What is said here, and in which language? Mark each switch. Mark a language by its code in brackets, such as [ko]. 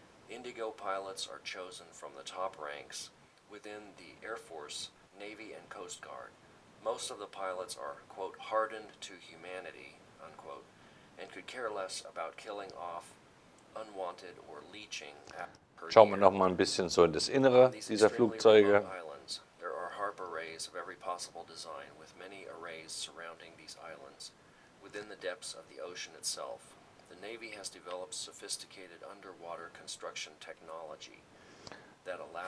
[en] Indigo pilots are chosen from the top ranks within the Air Force, Navy, and Coast Guard. Most of the pilots are, quote, hardened to humanity, unquote, and could care less about killing off unwanted or leeching after. [de] Schauen wir noch mal ein bisschen so in das Innere dieser Flugzeuge. [en] There are harp arrays of every possible design, with many arrays surrounding these islands within the depths of the ocean itself. The Navy has developed sophisticated underwater construction technology that allows